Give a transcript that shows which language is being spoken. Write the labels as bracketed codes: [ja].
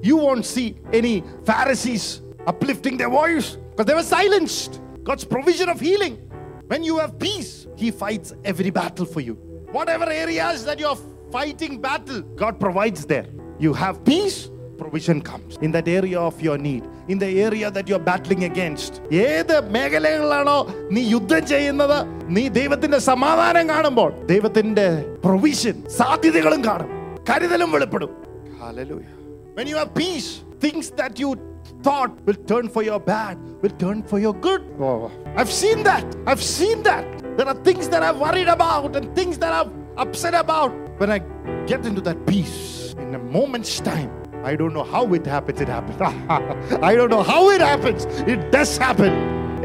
[en] You won't see any Pharisees uplifting their voice because they were silenced. God's provision of healing. When you have peace, He fights every battle for you. Whatever areas that you are fighting battle, God provides there. You have peace. Provision comes in that area of your need, in the area that you're battling against. [ml] ഏതു മേഖലകളാണോ നീ യുദ്ധം ചെയ്യുന്നത്, നീ ദൈവത്തിന്റെ സമാധാനം കാണുമ്പോൾ ദൈവത്തിന്റെ provision സാധ്യതകളും കാണും, കരുതലും വെളിപ്പെടും. Hallelujah. [en] When you have peace, things that you thought will turn for your bad, will turn for your good. Wow. I've seen that. There are things that I've worried about and things that I've upset about. When I get into that peace, in a moment's time, I don't know how it happens, it happens. I don't know how it happens, it does happen.